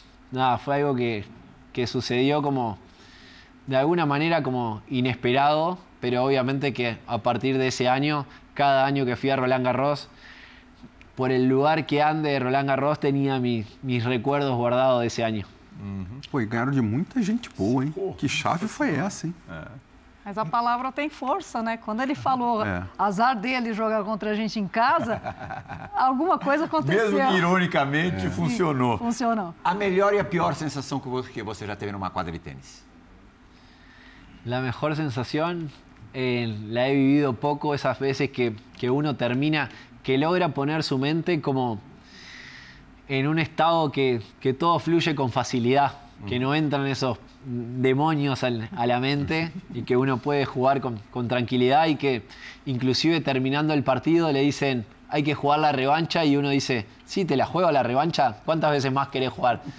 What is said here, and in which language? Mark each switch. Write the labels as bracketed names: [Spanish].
[Spanish] Nada, fue algo que sucedió como, de alguna manera, como inesperado, pero obviamente que a partir de ese año, cada año que fui a Roland Garros, por el lugar que ande de Roland Garros, tenía mis recuerdos guardados de ese año. [Portuguese] Pô, e ganharam de muita gente boa, hein? Porra, que chave foi essa, hein? É. Mas a palavra tem força, né? Quando ele falou, azar dele jogar contra a gente em casa, alguma coisa aconteceu. Mesmo que ironicamente, funcionou. Funcionou. A melhor e a pior sensação que você já teve numa quadra de tênis? A melhor sensação, [Spanish] la he vivido pouco, essas vezes que uno termina, que logra poner su mente como en un estado que todo fluye con facilidad, que no entran esos demonios a la mente y que uno puede jugar con tranquilidad y que inclusive terminando el partido le dicen hay que jugar la revancha y uno dice, sí, te la juego la revancha, ¿cuántas veces más querés jugar?